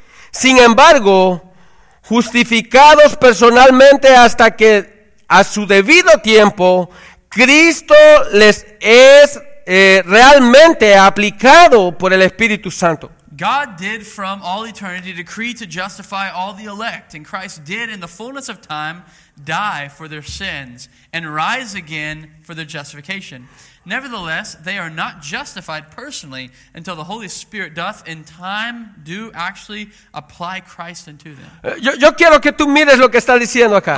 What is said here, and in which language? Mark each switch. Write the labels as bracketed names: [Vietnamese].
[Spanish] Sin embargo, justificados personalmente hasta que a su debido tiempo, Cristo les es realmente aplicado por el Espíritu Santo. [English] God did from all eternity decree to justify all the elect, and Christ did in the fullness of time die for their sins and rise again for their justification. Nevertheless, they are not justified personally until the Holy Spirit doth in time do actually apply Christ unto them. [Spanish] Yo quiero que tú mires lo que está diciendo acá.